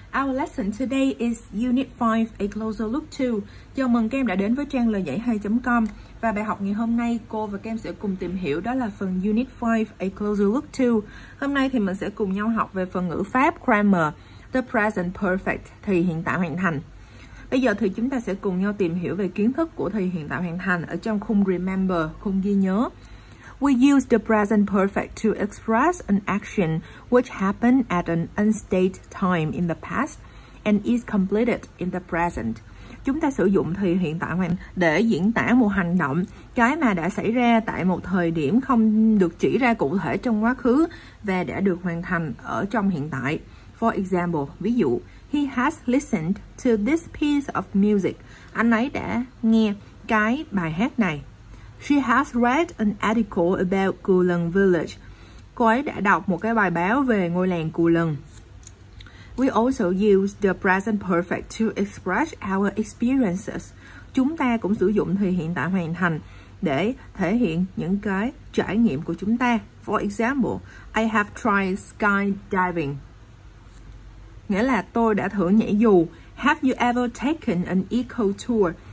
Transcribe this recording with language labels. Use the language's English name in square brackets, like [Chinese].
[English] Our lesson today is Unit 5, A Closer Look 2. [Vietnamese] Chào mừng các em đã đến với trang leuyenhai.com. Và bài học ngày hôm nay, cô và các em sẽ cùng tìm hiểu đó là phần Unit 5, A Closer Look 2. Hôm nay thì mình sẽ cùng nhau học về phần ngữ pháp, grammar, [English] the present perfect, [Vietnamese] thì hiện tại hoàn thành. Bây giờ thì chúng ta sẽ cùng nhau tìm hiểu về kiến thức của thì hiện tại hoàn thành ở trong khung remember, khung ghi nhớ. [English] We use the present perfect to express an action which happened at an unstated time in the past and is completed in the present. [Vietnamese] Chúng ta sử dụng thì hiện tại hoàn để diễn tả một hành động, cái mà đã xảy ra tại một thời điểm không được chỉ ra cụ thể trong quá khứ và đã được hoàn thành ở trong hiện tại. [English] For example, [Vietnamese] ví dụ, [English] he has listened to this piece of music. [Vietnamese] Anh ấy đã nghe cái bài hát này. [English] She has read an article about Kulan Village. [Vietnamese] Cô ấy đã đọc một cái bài báo về ngôi làng Kulan. [English] We also use the present perfect to express our experiences. [Vietnamese] Chúng ta cũng sử dụng thì hiện tại hoàn thành để thể hiện những cái trải nghiệm của chúng ta. [English] For example, I have tried skydiving. [Vietnamese] Nghĩa là tôi đã thử nhảy dù. [English] Have you ever taken an eco tour?